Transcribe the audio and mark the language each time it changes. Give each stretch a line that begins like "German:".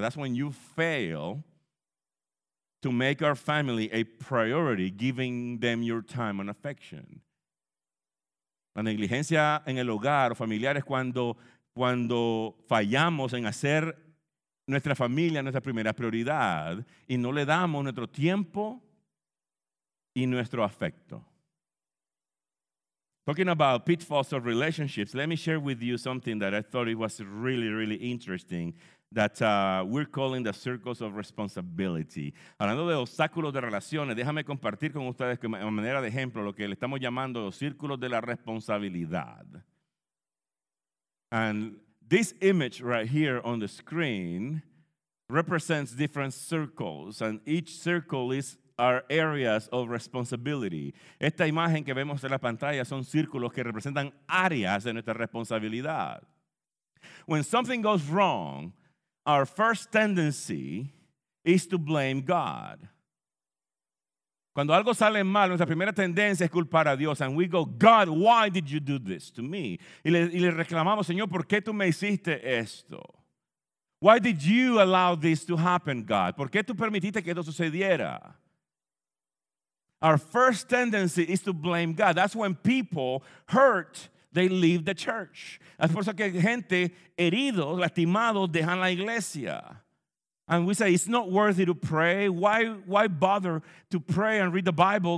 English: That's when you fail to make our family a priority, giving them your time and affection.
Spanish: La negligencia en el hogar o familiar es cuando fallamos en hacer nuestra familia nuestra primera prioridad y no le damos nuestro tiempo y nuestro afecto.
English: Talking about pitfalls of relationships, let me share with you something that I thought it was really, really interesting. That we're calling the circles of responsibility.
Spanish: Hablando de obstáculos de relaciones, déjame compartir con ustedes que, a manera de ejemplo, lo que le estamos llamando los círculos de la responsabilidad.
English: And this image right here on the screen represents different circles, and each circle is our areas of responsibility.
Spanish: Esta imagen que vemos en la pantalla son círculos que representan áreas de nuestra responsabilidad.
English: When something goes wrong, our first tendency is to blame God.
Spanish: Cuando algo sale mal, nuestra primera tendencia es culpar a Dios.
English: And we go, God, why did you do this to me?
Spanish: Y le reclamamos, Señor, ¿por qué tú me hiciste esto?
English: Why did you allow this to happen, God?
Spanish: ¿Por qué tú permitiste que esto sucediera?
English: Our first tendency is to blame God. That's when people hurt they leave the church.
Spanish: Es por eso que gente herido, lastimado, dejan la iglesia.
English: And we say, it's not worthy to pray. Why bother to pray and read the Bible?